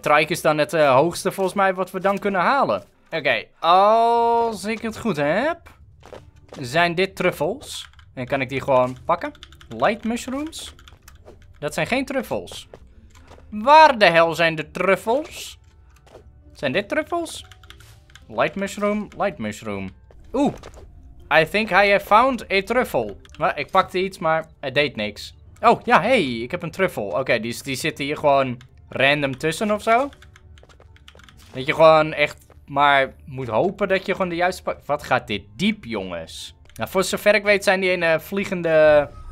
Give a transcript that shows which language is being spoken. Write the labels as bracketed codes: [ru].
[nl] Trike is dan het hoogste volgens mij wat we dan kunnen halen. Oké, als ik het goed heb, zijn dit truffels. En kan ik die gewoon pakken? Light mushrooms? Dat zijn geen truffels. Waar de hel zijn de truffels? Zijn dit truffels? [en] Light mushroom, light mushroom. Oeh, I think I have found a truffle. [nl] Nou, ik pakte iets, maar het deed niks. Oh, ja, hey, ik heb een truffle. Oké, die zit hier gewoon random tussen of zo. Dat je gewoon echt maar moet hopen dat je gewoon de juiste pakt. Wat gaat dit diep, jongens? Nou, voor zover ik weet zijn die een vliegende...